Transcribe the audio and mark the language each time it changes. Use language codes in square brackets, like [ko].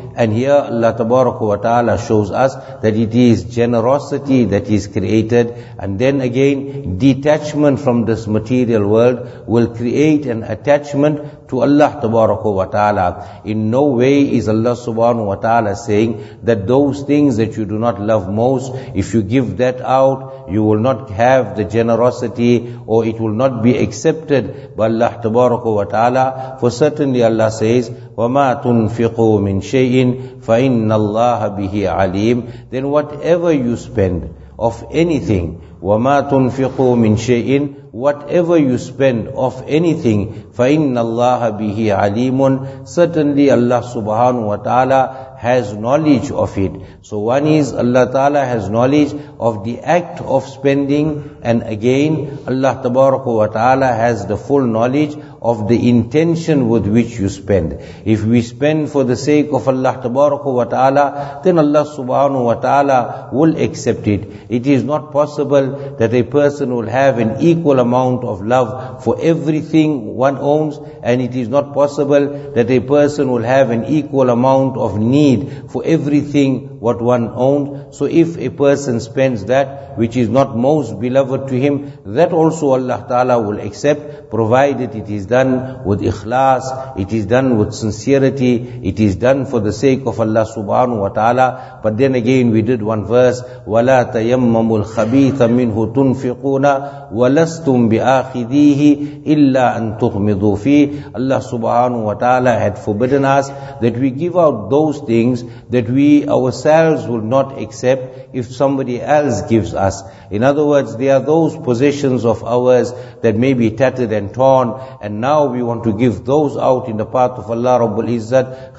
[en] And here Allah tabaraka wa ta'ala shows us that it is generosity that is created, and then again detachment from this material world will create an attachment to Allah tabaraka wa ta'ala. In no way is Allah subhanahu wa ta'ala saying that those things that you do not love most, if you give that out, you will not have the generosity, or it will not be accepted by Allah tabaraka wa ta'ala. For certainly Allah says, [ar] وَمَا تُنْفِقُوا مِنْ شَيْءٍ فَإِنَّ اللَّهَ بِهِ عَلِيمٌ. [en] Then whatever you spend of anything, [ar] وَمَا تُنْفِقُوا مِنْ شَيْءٍ, [en] whatever you spend of anything, [ar] فَإِنَّ اللَّهَ بِهِ عَلِيمٌ. [en] Certainly Allah subhanahu wa ta'ala has knowledge of it. So one is Allah ta'ala has knowledge of the act of spending, and again Allah tabaraka wa ta'ala has the full knowledge of the intention with which you spend. If we spend for the sake of Allah tabaraka wa ta'ala, then Allah subhanahu wa ta'ala will accept it. It is not possible that a person will have an equal amount of love for everything one owns, and it is not possible that a person will have an equal amount of need for everything what one owned. So if a person spends that which is not most beloved to him, that also Allah Ta'ala will accept, provided it is done with ikhlas, it is done with sincerity, it is done for the sake of Allah Subhanahu wa Ta'ala. But then again we did one verse, [ar] وَلَا تَيَمَّمُ الْخَبِيثَ مِنْهُ تُنْفِقُونَ وَلَسْتُمْ بِآخِذِيهِ إِلَّا أَن تُغْمِضُوا فِيهِ. [en] Allah Subhanahu wa Ta'ala had forbidden us that we give out those things that we ourselves will not accept if somebody else gives us. In other words, there are those possessions of ours that may be tattered and torn, and now we want to give those out in the path of Allah Rabbul Izzat.